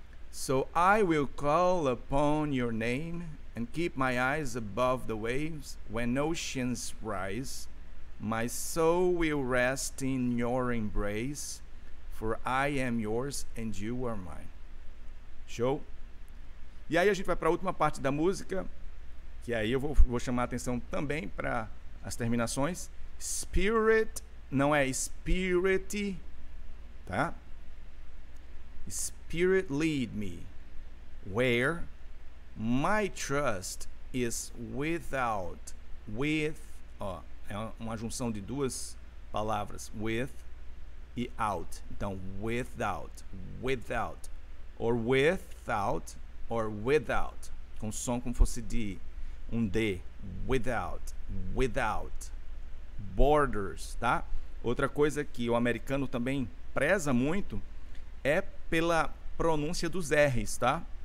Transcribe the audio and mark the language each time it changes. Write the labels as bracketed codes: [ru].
[en] So I will call upon your name and keep my eyes above the waves when oceans rise. My soul will rest in your embrace, for I am yours and you are mine. [pt] Show? E aí a gente vai para a última parte da música, que aí eu vou chamar a atenção também para as terminações. Spirit, não é spirit, tá? [en] Spirit lead me, where my trust is without, with, ó. [pt] É uma junção de duas palavras, with e out. Então, [en] without, without, or without, or without. [pt] Com som como fosse de um D. [en] Without, without. [pt] Borders, tá? Outra coisa que o americano também preza muito é pela pronúncia dos R's, tá?